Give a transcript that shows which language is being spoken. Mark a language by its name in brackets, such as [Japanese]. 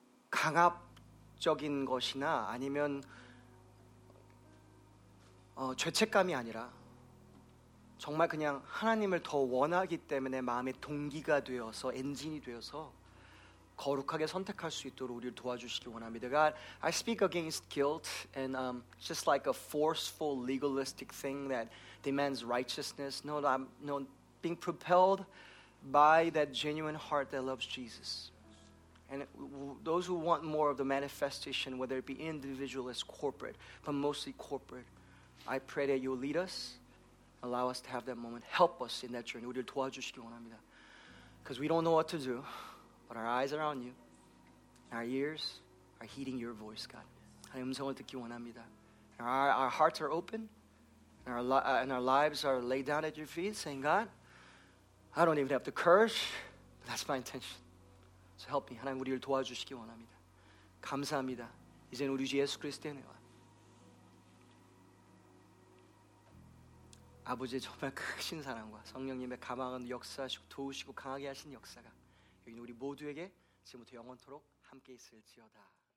[Korean] 강압적인 것이나 아니면 죄책감이 아니라 정말 그냥 하나님을 더 원하기 때문에 마음의 동기가 되어서 엔진이 되어서 거룩하게 선택할 수 있도록 우리를 도와주시기 원합니다. [English] God, I speak against guilt and just like a forceful legalistic thing that demands righteousness. No, I'm no being propelled by that genuine heart that loves Jesus. And those who want more of the manifestation, whether it be individualist, corporate, but mostly corporate, I pray that you'll lead us, allow us to have that moment, help us in that journey. [Korean] 우리를 도와주시기 원합니다. [English] Because we don't know what to do. But our eyes are on you. Our ears are heeding your voice, God. [Korean] 하나님 음성을 듣기 원합니다. [English] Our hearts are open. And our lives are laid down at your feet, saying, God, I don't even have the courage, but that's my intention. So help me. [Korean] 하나님 우리를 도와주시기 원합니다. 감사합니다. 이제는 우리 예수 그리스도의 은혜와 아버지의 정말 크신 사랑과 성령님의 감화하는 역사하시고 도우시고 강하게 하신 역사가 우리 모두에게 지금부터 영원토록 함께 있을지어다.